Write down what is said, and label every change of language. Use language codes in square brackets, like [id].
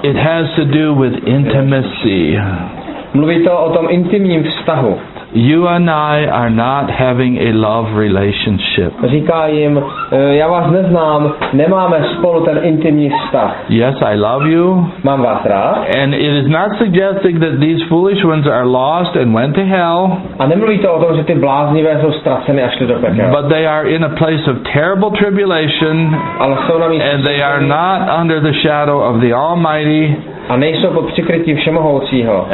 [en] It has to do with intimacy. [cs] Mluví to o tom intimním vztahu. [en] You and I are not having a love relationship. [cs] Říká jim, já vás neznám, nemáme spolu ten intimní vztah. [en] Yes, I love you. [cs] Mám vás rád. [en] And it is not suggesting that these foolish ones are lost and went to hell. [cs] A nemluví to o tom, že ty bláznivé jsou ztraceny a šli do pekla. [en] But they are in a place of terrible tribulation. [cs] Ale jsou na místě, [en] and they are not under the shadow of the Almighty. [cs] A nejsou pod přikrytím všemohoucího.